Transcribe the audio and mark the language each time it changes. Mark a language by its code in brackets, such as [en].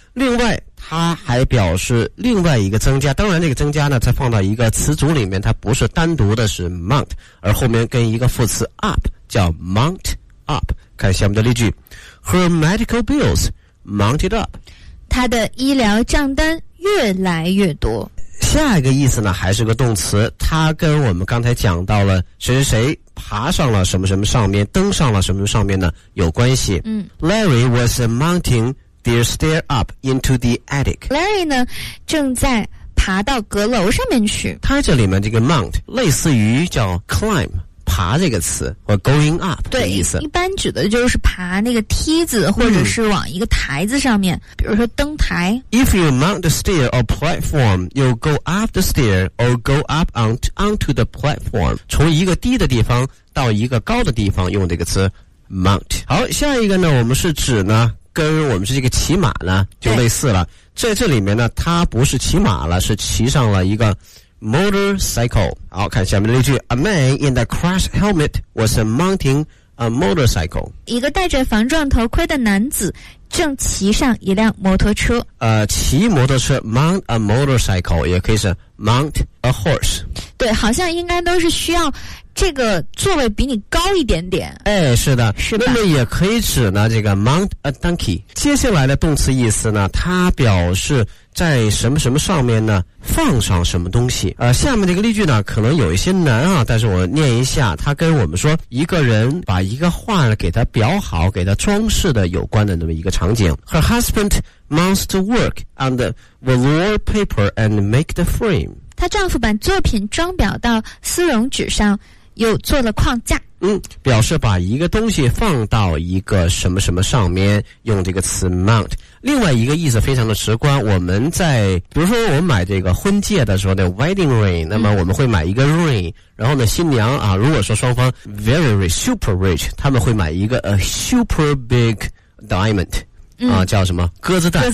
[zh] 另外它还表示另外一个增加，当然这个增加呢它放到一个词组里面，它不是单独的是 mount， 而后面跟一个副词 up 叫 mount up。看下面的例句。 [en] Her medical bills mounted up， [zh] 她的医疗账单越来越多。下一个意思呢还是个动词，它跟我们刚才讲到了谁谁谁爬上了什么什么上面，登上了什么上面呢有关系。嗯， [en] Larry was mounting their stair up into the attic。 [zh] Larry 呢正在爬到阁楼上面去。他这里面这个 mount 类似于叫 climb 爬这个词，或 going up 的意思，对，一般指的就是爬那个梯子或者是往一个台子上面，比如说登台。 [en] If you mount the stair or platform you go up the stair or go up onto the platform， [zh] 从一个低的地方到一个高的地方用这个词 [en] mount。 [zh] 好，下一个呢我们是指呢跟我们这个骑马呢就类似了，在这里面呢他不是骑马了，是骑上了一个 motorcycle。好，看下面的例句。 [en] A man in the crash helmet was mounting a motorcycle， [zh] 一个戴着防撞头盔的男子正骑上一辆摩托车。骑摩托车 [en] mount a motorcycle [zh] 也可以是 [en] mount a horse。 [zh] 对，好像应该都是需要这个座位比你高一点点。哎，是的，是的。那么也可以指呢，这个 mount a donkey。接下来的动词意思呢，它表示在什么什么上面呢，放上什么东西。下面这个例句呢，可能有一些难啊，但是我念一下，它跟我们说一个人把一个画给他裱好，给他装饰的有关的那么一个场景。 [en] Her husband mounts to work on the velour paper and make the frame。 [zh] 她丈夫把作品装裱到丝绒纸上，又做了框架。嗯，表示把一个东西放到一个什么什么上面，用这个词 mount。另外一个意思非常的直观，我们在比如说我们买这个婚戒的时候的 wedding ring， 那么我们会买一个 ring， 然后呢新娘啊，如果说双方 [en] very rich super rich， [zh] 他们会买一个 [en] a super big diamond， [zh] 啊叫什么鸽子蛋，